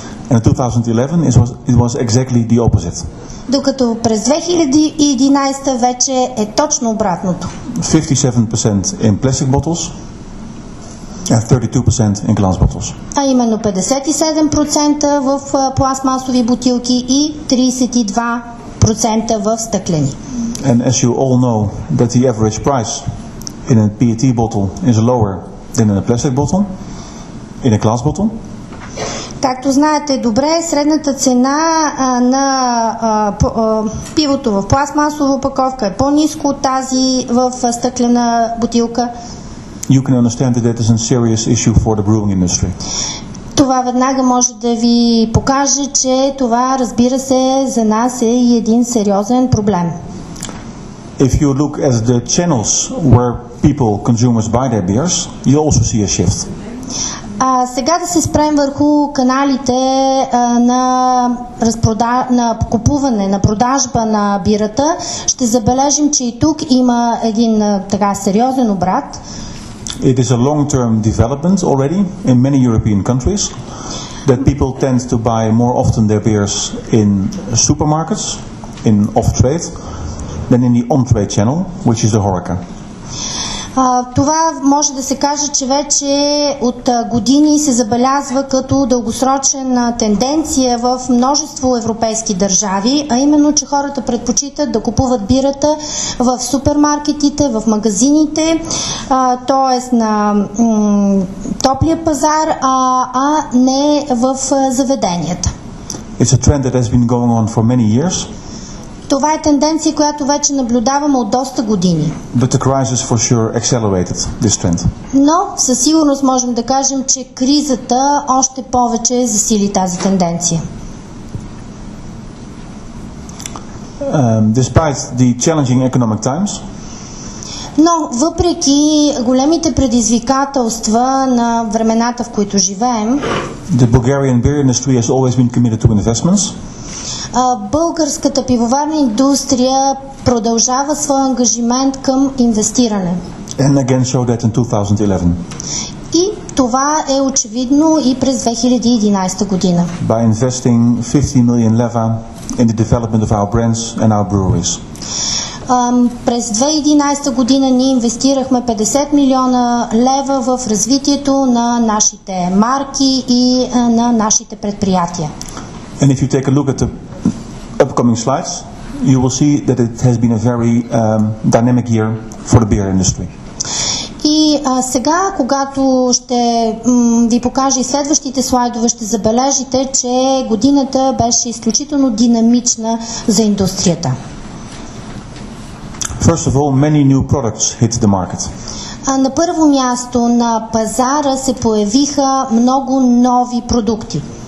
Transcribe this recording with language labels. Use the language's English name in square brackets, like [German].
[English] In 2011 it was exactly the opposite. [Bulgarian] Докато през 2011 вече е точно обратното. [English] 57% in plastic bottles. And 32% in glass bottles. [Bulgarian] А именно 57% в пластмасови бутилки и 32% в стъклени. [English] And as you all know that the average price in a PET bottle is lower than in a plastic bottle, in a glass bottle. [Bulgarian] Както знаете добре, средната цена на пивото в пластмасова опаковка е по-ниска от тази в стъклена бутилка. [English] You can understand that is a serious issue for the brewing industry. [Bulgarian] Това веднага може да ви покаже, че това, разбира се, за нас е и един сериозен проблем. [English] If you look at the channels where people, consumers buy their beers, you also see a shift. [Bulgarian] Сега да се спрем върху каналите на купуване, на продажба на бирата, ще забележим, че и тук има един така сериозен обрат. [English] It is a long-term development already in many European countries that people tend to buy more often their beers in supermarkets, in off-trade, than in the on-trade channel, which is the HoReCa. [Bulgarian] Това може да се каже, че вече от години се забелязва като дългосрочна тенденция в множество европейски държави, а именно, че хората предпочитат да купуват бирата в супермаркетите, в магазините, т.е. на топлия пазар, а не в заведенията. [English] It's a trend that has been going on for many years. [Bulgarian] Това е тенденция, която вече наблюдаваме от доста години. [English] But the crisis for sure accelerated this trend. [Bulgarian] Но със сигурност можем да кажем, че кризата още повече засили тази тенденция. [English] Despite the challenging economic times, [Bulgarian] но въпреки големите предизвикателства на времената, в които живеем, [English] the Bulgarian beer industry has always been committed to investments. [Bulgarian] Българската пивоварна индустрия продължава своя ангажимент към инвестиране. [English] And again showed that in 2011. [Bulgarian] И това е очевидно и през 2011 година. [English] By investing 50 million leva in the development of our brands and our breweries. [Bulgarian] През 2011 година ние инвестирахме 50 милиона лева в развитието на нашите марки и на нашите предприятия. [English] And if you take a look at the upcoming slides, you will see that it has been a very dynamic year for the beer industry. [Bulgarian] И сега, когато ще ви покажа и следващите слайдове, ще забележите, че годината беше изключително динамична за индустрията. [English] First of all, many new products hit the market. [Bulgarian] На първо място на пазара се появиха много нови продукти.